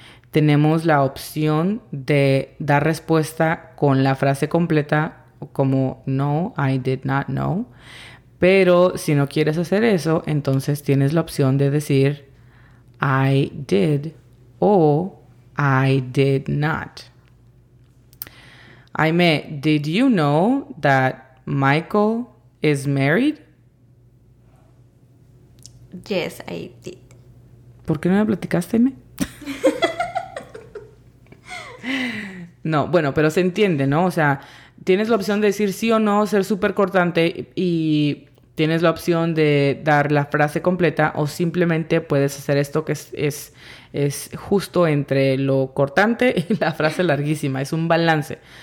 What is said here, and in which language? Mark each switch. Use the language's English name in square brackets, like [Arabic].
[Spanish] Tenemos la opción de dar respuesta con la frase completa, como no, [English] I did not know. [Spanish] Pero si no quieres hacer eso, entonces tienes la opción de decir [English] I did o I did not. Aimee, did you know that Michael is married? Yes, I did. [Spanish] ¿Por qué no me platicaste, Aimee? No, bueno, pero se entiende, ¿no? O sea, tienes la opción de decir sí o no, ser súper cortante, y tienes la opción de dar la frase completa, o simplemente puedes hacer esto que es justo entre lo cortante y la frase larguísima. Es un balance.